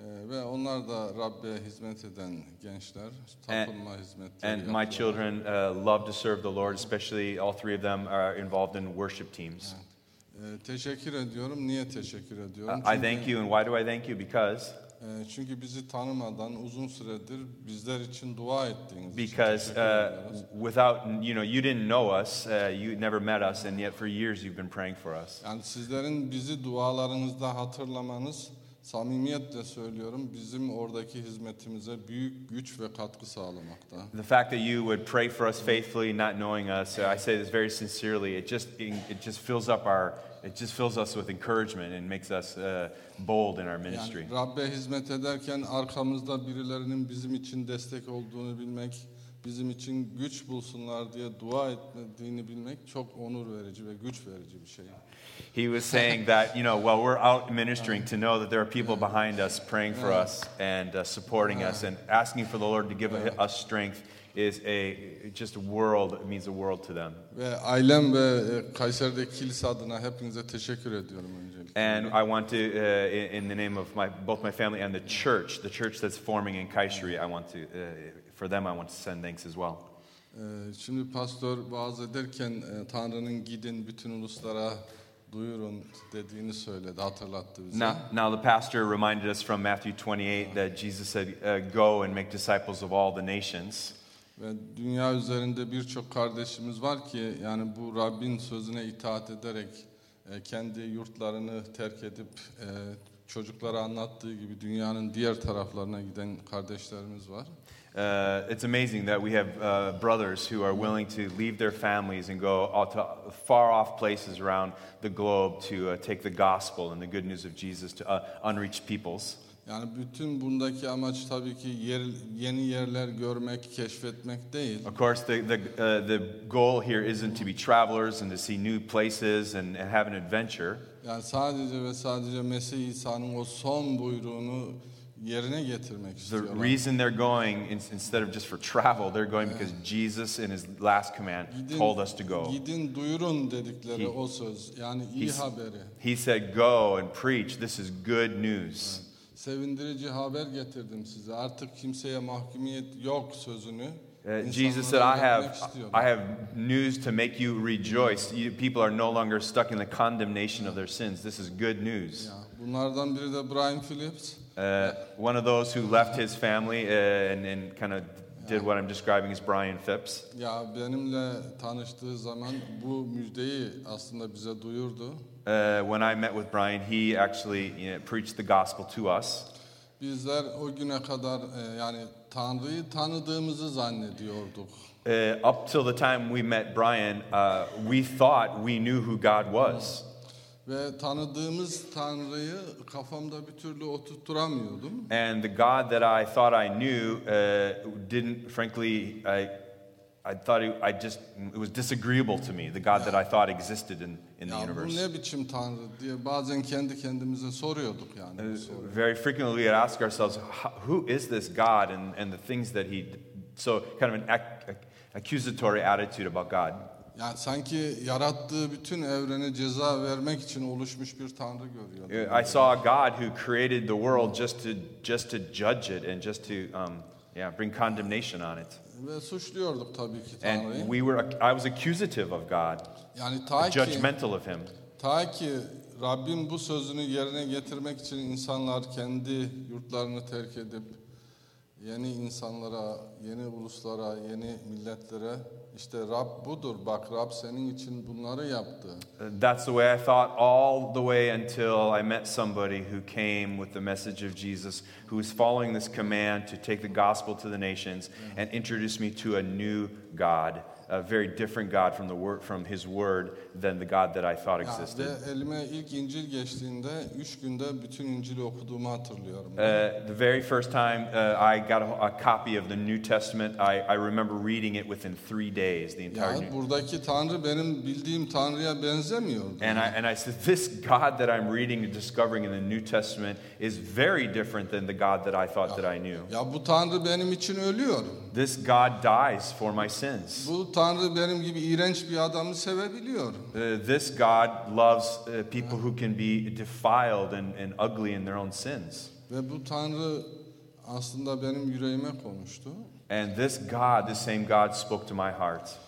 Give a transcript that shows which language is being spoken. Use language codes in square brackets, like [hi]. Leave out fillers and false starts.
[tr] Ve onlar da Rabb'e hizmet eden gençler, tapınma hizmetleri. [en] And my children love to serve the Lord, especially all 3 of them are involved in worship teams. [tr] Teşekkür ediyorum. Niye teşekkür ediyorum? [en] I thank you, and why do I thank you? Because [tr] çünkü bizi tanımadan uzun süredir bizler için dua ettiğiniz. [en] Because without you didn't know us, you never met us, and yet for years you've been praying for us. [tr] Yani sizlerin bizi dualarınızda hatırlamanız, samimiyetle söylüyorum, bizim oradaki hizmetimize büyük güç ve katkı sağlamakta. [en] The fact that you would pray for us faithfully, not knowing us, I say this very sincerely, it just fills up our It just fills us with encouragement and makes us bold in our ministry. [tr] Yani Rabbe hizmet ederken arkamızda birilerinin bizim için destek olduğunu bilmek, bizim için güç bulsunlar diye dua ettiğini bilmek çok onur verici ve güç verici bir şey. [en] He was saying that, you know, while we're out ministering, to know that there are people behind us praying for us and supporting us and asking for the Lord to give us strength is a just a world, it means a world to them. [tr] Ve ailem ve Kayseri'deki kilise adına hepinize teşekkür ediyorum öncelikle. [en] And I want to, in the name of my both my family and the church that's forming in Kayseri, I want to, for them, I want to send thanks as well. [tr] Şimdi pastor vaaz ederken Tanrı'nın gidin bütün uluslara duyurun dediğini söyledi, hatırlattı bize. [en] Now the pastor reminded us from Matthew 28 that Jesus said, go and make disciples of all the nations. [tr] Ve dünya üzerinde birçok kardeşimiz var ki yani bu Rabbin sözüne itaat ederek kendi yurtlarını terk edip çocuklara anlattığı gibi dünyanın diğer taraflarına giden kardeşlerimiz var. [en] It's amazing that we have brothers who are willing to leave their families and go out to far off places around the globe to take the gospel and the good news of Jesus to unreached peoples. [tr] Yani bütün bundaki amaç tabii ki yeni yerler görmek, keşfetmek değil. [en] Of course, the goal here isn't to be travelers and to see new places and have an adventure. [tr] Yani sadece ve sadece Mesih İsa'nın o son buyruğunu yerine getirmek istiyorlar. [en] The reason they're going instead of just for travel, they're going because Jesus in his last command told us to go. [tr] Gidin duyurun dedikleri o söz, yani iyi haberi. [en] He said, "Go and preach. This is good news." [tr] Sevindirici haber getirdim size. Artık kimseye mahkumiyet yok sözünü. [en] Jesus said, I have news to make you rejoice. You, people are no longer stuck in the condemnation of their sins. This is good news. [tr] Bunlardan biri de Brian Phillips. [en] One of those who left his family and kind of did what I'm describing is Brian Phipps. [tr] Ya benimle tanıştığı zaman bu müjdeyi aslında bize duyurdu. [en] When I met with Brian, he actually preached the gospel to us. [tr] Bizler o güne kadar yani Tanrı'yı tanıdığımızı zannediyorduk. [en] Up till the time we met Brian, we thought we knew who God was. [tr] Ve tanıdığımız Tanrı'yı kafamda bir türlü oturtturamıyordum. [en] And the God that I thought I knew didn't, frankly, it was disagreeable to me, the God that I thought existed in the universe. [tr] Ya bu ne biçim Tanrı diye bazen kendi kendimize soruyorduk yani. [en] Very frequently we'd ask ourselves, who is this God and the things that he, so kind of an accusatory attitude about God. [tr] Ya yani sanki yarattığı bütün evrene ceza vermek için oluşmuş bir tanrı görüyordum. [en] I saw a God who created the world just to judge it and just to bring condemnation on it. [tr] Ve suçluyorduk tabii ki tanrıyı. [en] And I was accusative of God. [tr] Yani [en] judgmental of him. [tr] Ta ki Rabbim bu sözünü yerine getirmek için insanlar kendi yurtlarını terk edip yeni insanlara, yeni uluslara, yeni milletlere işte Rab budur. Bak Rab senin için bunları yaptı. [en] That's the way I thought all the way until I met somebody who came with the message of Jesus, who was following this command to take the gospel to the nations and introduced me to a new God, a very different God from his word than the God that I thought existed. [tr] Ya, elime ilk İncil geçtiğinde 3 günde bütün İncil'i okuduğumu hatırlıyorum. [en] The very first time I got a copy of the New Testament, I remember reading it within 3 days, the entire New. [tr] Ya buradaki Tanrı benim bildiğim Tanrı'ya benzemiyordu. [en] And I said, this God that I'm reading and discovering in the New Testament is very different than the God that I thought that I knew. [tr] Ya bu Tanrı benim için ölüyor. [en] This God dies for my sins. [tr] Bu Tanrı benim gibi iğrenç bir adamı sevebiliyor. [en] This God loves people who can be defiled and ugly in their own sins. [tr] Ve bu Tanrı aslında benim yüreğime konuştu. [en] And this God, the same God, spoke to my heart.